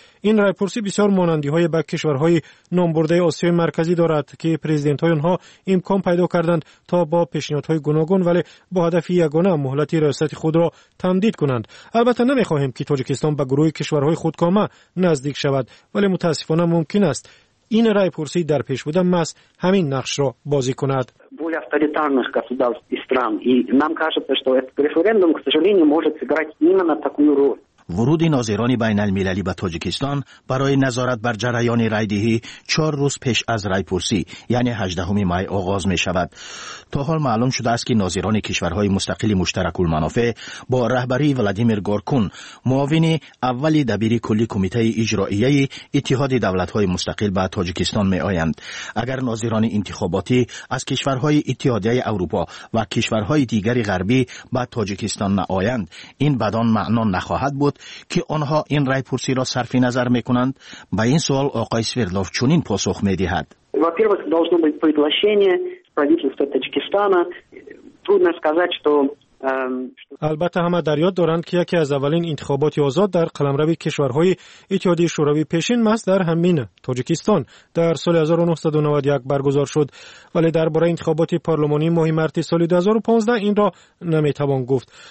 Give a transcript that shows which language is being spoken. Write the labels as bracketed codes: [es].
[fa] این رایپرسی بسیار مانندی های به کشورهای نامبرده آسیای مرکزی دارد که پرزیدنت های آنها امکان پیدا کردند تا با پیشنهادهای گوناگون ولی با هدف یگانه مهلت ریاست خود را تمدید کنند. البته نمیخواهیم که تاجیکستان به گروه کشورهای خودکامه نزدیک شود، ولی متاسفانه ممکن است این رای پرسی در پیش بوده ماست همین نقش را بازی کند. [ru] بوی авторитарних государств и стран и нам кажется, что этот референдум, к сожалению, может сыграть именно такую роль. [fa] ورود ناظران بین المللی به تاجیکستان برای نظارت بر جریان رای دهی 4 روز پیش از رای پرسی یعنی 18 می آغاز می شود. تا حال معلوم شده است که ناظران کشورهای مستقل مشترک المنافع با رهبری ولادیمیر گورکون، معاون اول دبیر کلی کمیته اجرایی اتحاد دولت های مستقل به تاجیکستان می آیند. اگر ناظران انتخاباتی از کشورهای اتحادیه اروپا و کشورهای دیگری غربی به تاجیکستان نآیند، این بدان معنا نخواهد بود که آنها این رای پرسی را صرف نظر می کنند. به این سوال آقای سویردلوف چنین پاسخ می دهد. [ru] Во-первых, должно быть приглашение правительства Таджикистана. Трудно сказать, что [fa] البته همه در یاد دارند که یکی از اولین انتخابات آزاد در قلمرو کشورهای اتحادیه شوروی پیشین ماست در همین تاجیکستان در سال 1991 برگزار شد، ولی درباره انتخابات پارلمانی ماه مارس سال 2015 این را نمیتوان گفت.